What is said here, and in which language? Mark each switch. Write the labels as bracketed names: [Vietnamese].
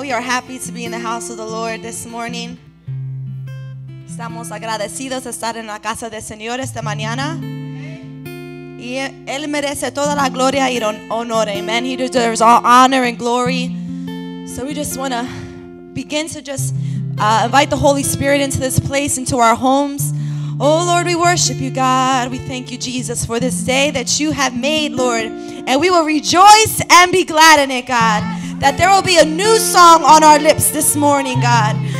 [English] We are happy to be in the house of the Lord this morning. [Spanish] Estamos agradecidos de estar en la casa del Señor esta mañana. Y Él merece toda la gloria y honor. [English] Amen. He deserves all honor and glory. So we just want to begin to just invite the Holy Spirit into this place, into our homes. Oh, Lord, we worship you, God. We thank you, Jesus, for this day that you have made, Lord. And we will rejoice and be glad in it, God, that there will be a new song on our lips this morning, God.